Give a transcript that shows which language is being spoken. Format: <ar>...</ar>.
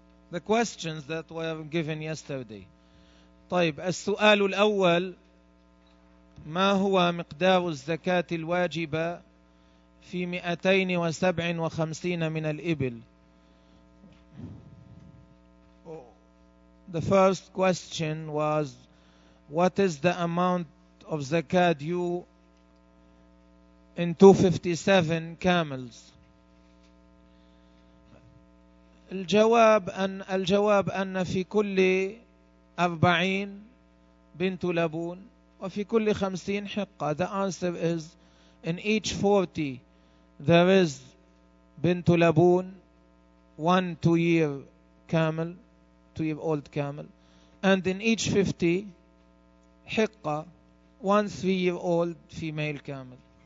<en>The questions that were given yesterday.</en> <ar>طيب السؤال الأول, ما هو مقدار الزكاة الواجبة في 257 من الإبل؟</ar> <en>The first question was, what is the amount of zakat due in 257 camels?</en> <ar>الجواب أن في كل 40 بنت لبون وفي كل 50 حقة.</ar> <en>The answer is, in each 40 there is بنت لبون, 1 2-year camel, 2-year-old camel, and in each 50 حقة, 1 3-year-old female camel.</en>